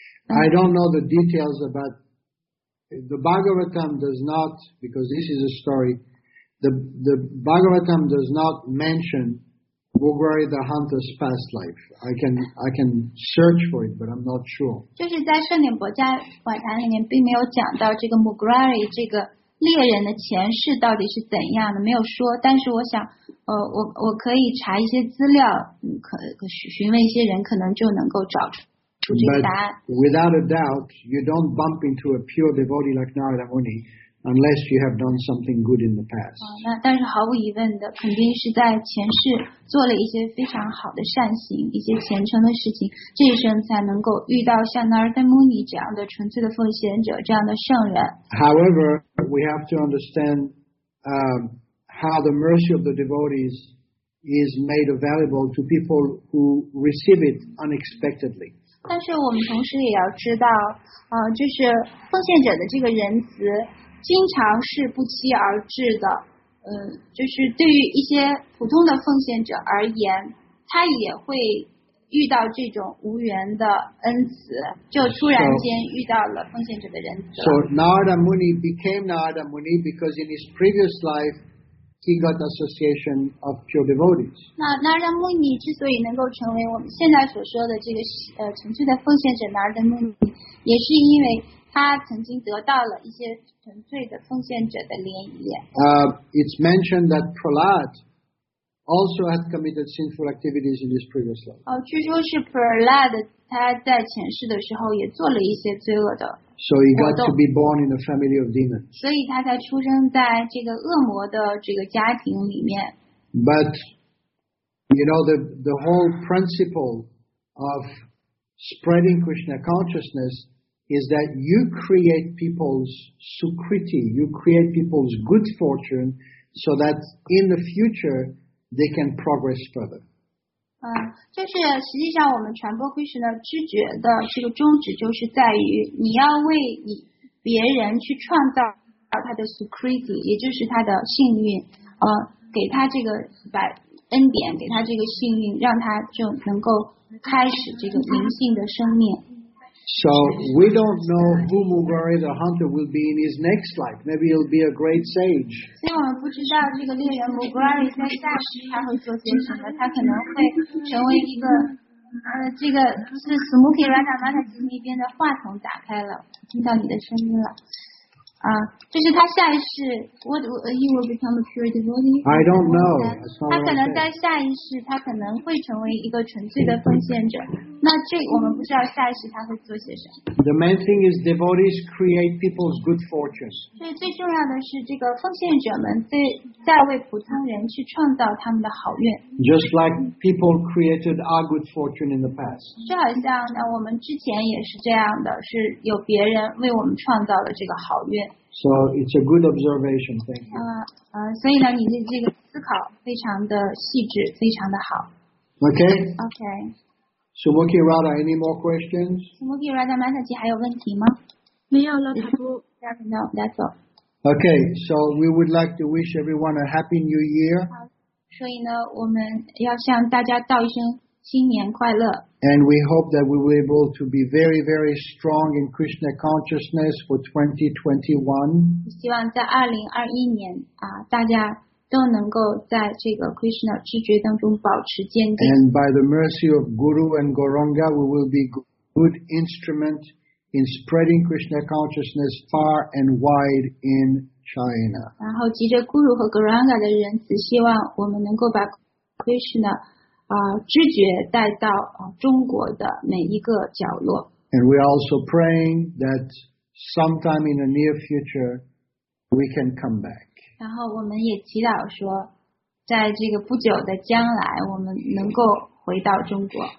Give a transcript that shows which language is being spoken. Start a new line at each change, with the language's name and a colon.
English: I don't know the details about the Bhagavatam does not, because this is a story, the Bhagavatam does not mention Mugrari the hunter's past life. I can search for it, but I'm not sure.
Chinese: 就是在圣典博迦晚坛里面并没有讲到这个 Mugrari 这个猎人的前世到底是怎样的，没有说。但是我想，我可以查一些资料，可询问一些人，可能就能够找出这个答案。
English: But without a doubt, you don't bump into a pure devotee like Narada Muni. Unless you have done something good in the past.
Chinese: 那但是毫无疑问的，肯定是在前世做了一些非常好的善行，一些虔诚的事情，这一生才能够遇到像 Narada Muni 这样的纯粹的奉献者，这样的圣人。
English: However, we have to understand how the mercy of the devotees is made available to people who receive it unexpectedly.
Chinese: 但是我们同时也要知道，就是奉献者的这个仁慈。经常是不期而至的，就是对于一些普通的奉献者而言，他也会遇到这种无缘的恩慈，就突然间遇到了奉献者的仁慈。
English: So Narada Muni became Narada Muni because in his previous life he got association of pure devotees.
Chinese: 那 Narada Muni 之所以能够成为我们现在所说的这个纯粹的奉献者 Narada Muni， 也是因为他曾经得到了一些纯粹的奉献者的联谊。
English: It's mentioned that Prahlad also had committed sinful activities in his previous life.
Chinese: 据说是 Prahlad 他在前世的时候也做了一些罪恶的
English: So he got to be born in a family of demons.
Chinese: 所以他才出生在这个恶魔的这个家庭里面。
English: But you know the whole principle of spreading Krishna consciousness is that you create people's sukriti, you create people's good fortune, so that in the future they can progress further.
Chinese: 就是实际上我们传播 Krishna 知觉的这个宗旨，就是在于你要为你别人去创造他的 sukriti， 也就是他的幸运，给他这个把恩典，给他这个幸运，让他就能够开始这个灵性的生命。
English: So we don't know who Mugari the hunter will be in his next life. Maybe he'll be a great sage.
Chinese: 所以我们不知道这个猎人 Mugari 在下世他会做些什么。他可能会成为一个这个是 Smoky Radamata 吉尼边的话筒打开了，听到你的声音了。就是他下一世
English: what, he will become a pure devotee. I don't know.
Chinese: 他可能在下一世他可能会成为一个纯粹的奉献者，那这我们不知道下一世他会做些什么。
English: The main thing is devotees create people's good fortune.
Chinese: 所以最重要的是这个奉献者们在为普通人去创造他们的好运。
English: Just like people created our good fortune in the past.
Chinese: 就好像呢我们之前也是这样的，是有别人为我们创造了这个好运。
English: So it's a good observation, thank you.
Chinese: 所以呢你的这个思考非常的细致，非常的好。
English: Okay. Okay. Sumukhi Radha, any more questions?
Chinese: Sumukhi Radha Mataji, 还有问题吗？没有了，他不。
English: No, that's all. Okay, so we would like to wish everyone a happy new year.
Chinese: 所以呢我们要向大家道一声新年快乐。
English: And we hope that we will be able to be very, very strong in Krishna consciousness for 2021.
Chinese: 希望在2021年啊，大家都能够在这个 Krishna 知觉当中保持坚定。
English: And by the mercy of Guru and Gauranga, we will be good instrument in spreading Krishna consciousness far and wide in China.
Chinese: 然后藉着 Guru 和 Gauranga 的仁慈，希望我们能够把 Krishna知觉带到中国的每一个角落。
English: And we are also praying that sometime in the near future we can come back.
Chinese: 然后我们也祈祷说在这个不久的将来我们能够回到中国。